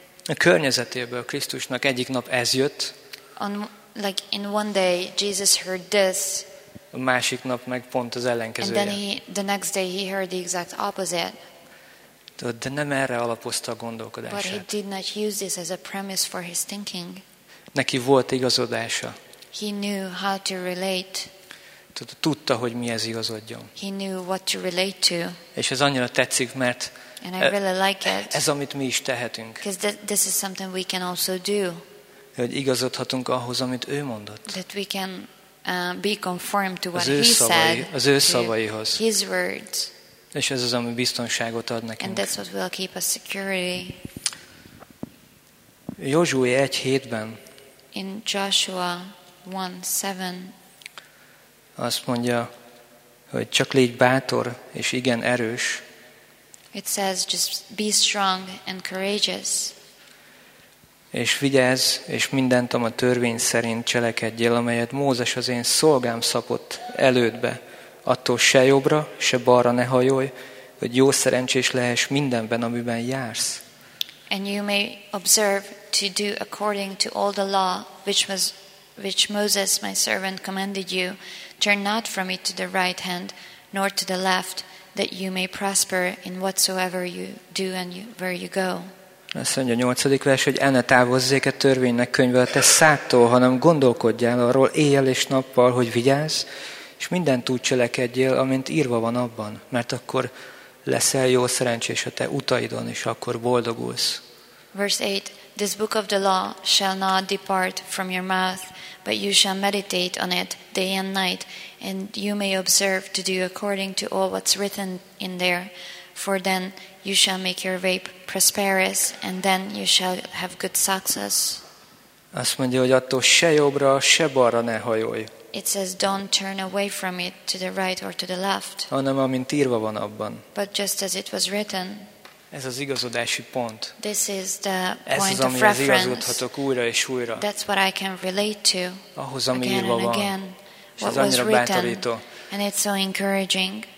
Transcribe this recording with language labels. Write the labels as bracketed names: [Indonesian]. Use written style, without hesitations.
[Hungarian] A környezetéből Krisztusnak egyik nap ez jött. [English] In one day, Jesus heard this. [Hungarian] A másik nap meg pont az ellenkezője. [English] And then the next day he heard the exact opposite. [Hungarian] De nem erre alapozta a gondolkodását. [English] But he did not use this as a premise for his thinking. [Hungarian] Neki volt igazodása. [English] He knew how to relate. [Hungarian] Tudta, hogy mihez igazodjon. [English] He knew what to relate to. [Hungarian] És ez annyira tetszik, mert [English] and I really like it. [Hungarian] Ez, amit mi is tehetünk. [English] Because this is something we can also do. [Hungarian] Hogy igazodhatunk ahhoz, amit ő mondott. [English] That we can be conformed to what he said. [Hungarian] Az ő szavaihoz. [English] His words. [Hungarian] És ez az, ami biztonságot ad nekünk. [English] And that's what will keep us security. [Hungarian] Józsué 1:7-ben. [English] In Joshua 1:7. [Hungarian] Azt mondja, hogy csak légy bátor és igen erős. [English] It says just be strong and courageous. [Hungarian] És vigyázz, és mindent a törvény szerint cselekedjél, amelyet Mózes az én szolgám szapott elődbe. Attól se jobbra, se balra ne hajolj, hogy jó szerencsés lehess mindenben, amiben jársz. [English] And you may observe to do according to all the law which Moses my servant commanded you. Turn not from it to the right hand, nor to the left, that you may prosper in whatsoever you do and where you go. [Hungarian] Azt mondja a 8. vers, hogy enne távozzék a törvénynek könyve a te szádtól, hanem gondolkodjál arról éjjel és nappal, hogy vigyázz, és mindent úgy cselekedjél, amint írva van abban, mert akkor leszel jó szerencsés a te utaidon, és akkor boldogulsz. [English] Verse 8. This book of the law shall not depart from your mouth, but you shall meditate on it day and night, and you may observe to do according to all what's written in there, for then you shall make your way prosperous, and then you shall have good success. [Hungarian] Azt mondja, hogy attól se jobbra, se balra ne hajolj. [English] It says, don't turn away from it to the right or to the left. [Hungarian] Hanem amint írva van abban. [English] But just as it was written. [Hungarian] Ez az igazodási pont. [English] This is the [Hungarian] ez [English] point [Hungarian] az, amihez [English] reference. [Hungarian] Igazodhatok újra és újra. [English] That's what I can relate to. [Hungarian] Ahhoz, ami írva van. [English] Again. [Hungarian] És ez annyira bátorító. [English] And it's so encouraging.